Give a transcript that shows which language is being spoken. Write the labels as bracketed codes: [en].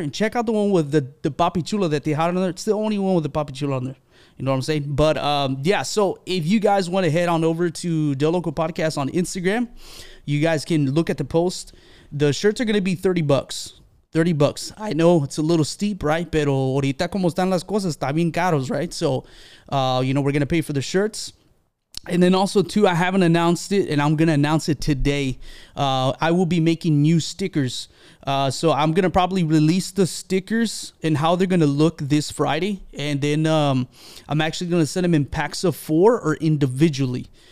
[en] And check out the one with the Papi Chulo that they had on there. It's the only one with the Papi Chulo on there. You know what I'm saying? But yeah, so if you guys want to head on over to Del Loco Podcast on Instagram, you guys can look at the post. The shirts are going to be $30. $30. I know it's a little steep, right? [es] Pero ahorita como están las cosas, está bien caros, right? [en] So, you know, we're going to pay for the shirts. And then also, too, I haven't announced it, and I'm going to announce it today. I will be making new stickers. So I'm going to probably release the stickers and how they're going to look this Friday. And then I'm actually going to send them in packs of four or individually.